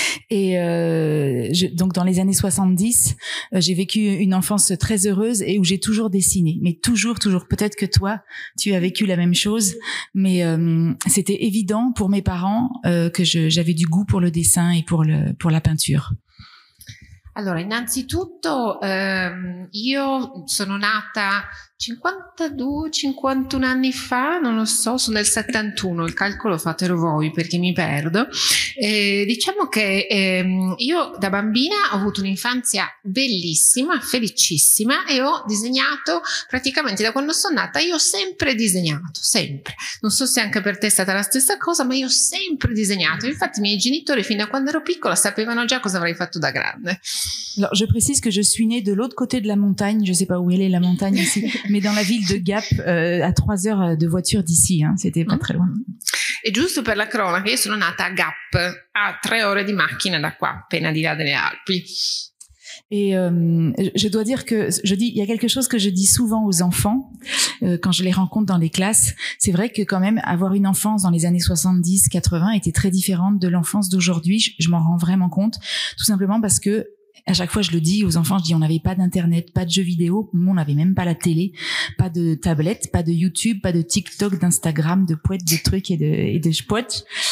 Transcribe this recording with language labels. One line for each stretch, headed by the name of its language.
French: Et donc dans les années 70, j'ai vécu une enfance très heureuse et où j'ai toujours dessiné, mais toujours, toujours. Peut-être que toi, tu as vécu la même chose, mais c'était évident pour mes parents que j'avais du goût pour le dessin et pour la peinture.
Italian: Allora, innanzitutto io sono nata 52, 51 anni fa, non lo so, sono del 71, il calcolo fatelo voi perché mi perdo. Diciamo che io da bambina ho avuto un'infanzia bellissima, felicissima, e ho disegnato praticamente da quando sono nata. Io ho sempre disegnato, sempre. Non so se anche per te è stata la stessa cosa, ma io ho sempre disegnato. Infatti i miei genitori fin da quando ero piccola sapevano già cosa avrei fatto da grande.
French: Alors, je précise que je suis née de l'autre côté de la montagne, je ne sais pas où elle est la montagne ici, mais dans la ville de Gap, à 3 heures de voiture d'ici, hein, c'était pas très loin.
Italian: E giusto per la cronaca, io sono nata a Gap, a 3 ore di macchina da qua, appena di là delle Alpi.
French: Et je dois dire que il y a quelque chose que je dis souvent aux enfants quand je les rencontre dans les classes. C'est vrai que quand même avoir une enfance dans les années 70-80 était très différente de l'enfance d'aujourd'hui. Je m'en rends vraiment compte, tout simplement parce que à chaque fois je le dis aux enfants, je dis on n'avait pas d'internet, pas de jeux vidéo, on n'avait même pas la télé, pas de tablette, pas de YouTube, pas de TikTok, d'Instagram, de poètes, de trucs et de chpouettes.